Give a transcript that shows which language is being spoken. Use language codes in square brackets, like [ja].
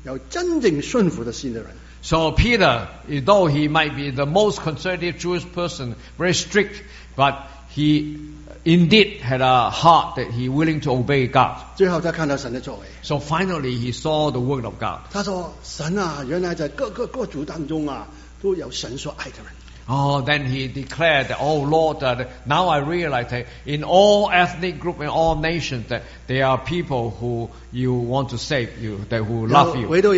[en] So Peter, though he might be the most conservative Jewish person, very strict, but he indeed had a heart that he willing to obey God. So finally he saw the work of God. [zh] 他说神啊原来在各个族当中啊都有神所爱的人。 [en] Oh, then he declared that, oh Lord, now I realize that in all ethnic groups and all nations that there are people who you want to save you, that who love you.